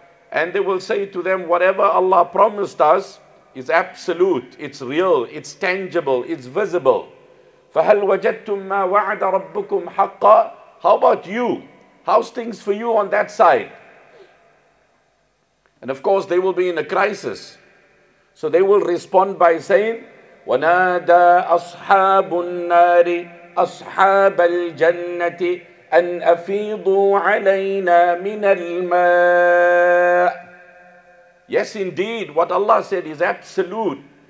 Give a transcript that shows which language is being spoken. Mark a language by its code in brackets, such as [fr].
[en] And they will say to them, whatever Allah promised us is absolute, it's real, it's tangible, it's visible. [ar] فَهَلْ وَجَدْتُمْ مَا وَعَدَ رَبُّكُمْ حَقًّا [en] How about you? How's things for you on that side? And of course, they will be in a crisis. So they will respond by saying, [ar] وَنَادَى أَصْحَابُ النَّارِ أَصْحَابَ الْجَنَّةِ أَنْ أَفِيضُوا عَلَيْنَا مِنَ الْمَاءِ [en] Yes, indeed, what Allah said is absolute.